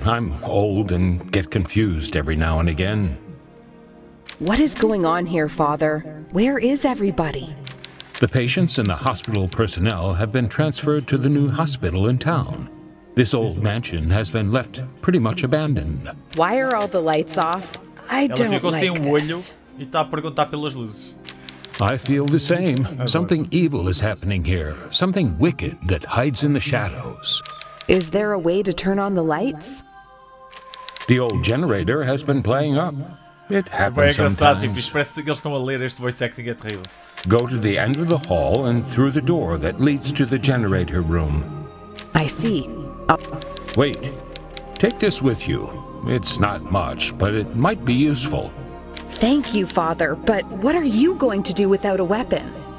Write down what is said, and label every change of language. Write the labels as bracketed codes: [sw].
[en] I'm old and get confused every now and again. What is going on here, Father? Where is everybody? The patients and the hospital personnel have been transferred to the new hospital in town. This old mansion has been left pretty much abandoned. Why are all the lights off? I don't like this. [pt] Ela ficou sem olho e está a perguntar pelas luzes. [en] I feel the same. Something evil is happening here. Something wicked that hides in the shadows. Is there a way to turn on the lights? The old generator has been playing up. It happens sometimes. [pt] Parece que eles estão a ler este voice acting, é terrível. [en] Go to the end of the hall and through the door that leads to the generator room. I see. Wait. Take this with you. It's not much, but it might be useful. Thank you, Father, but what are you going to do without a weapon?